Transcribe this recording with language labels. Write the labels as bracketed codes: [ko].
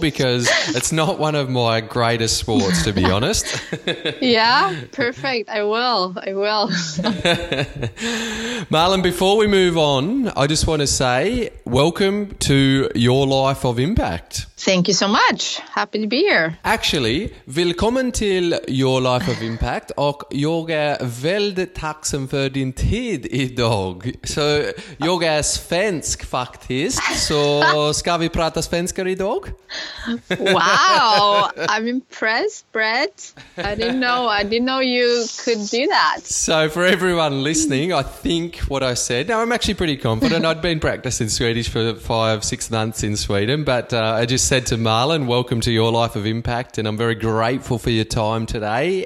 [en] Because it's not one of my greatest sports, to be honest. Yeah, perfect. I will. Marlon, before we move on, I just want to say welcome to your life of impact. Thank you so much. Happy to be here. Actually, [sv] willkommen till [en] your life of impact [sv] och jag är väldigt tacksam för din tid idag. So, jag är svensk faktiskt, so ska vi prata svenska idag? [en] Wow, I'm impressed, Brett. I didn't know you could do that. So for everyone listening, I think what I said, now I'm actually pretty confident. I'd been practicing Swedish for 5-6 months in Sweden, but I just said to Marlon, welcome to your life of impact, and I'm very grateful for your time today.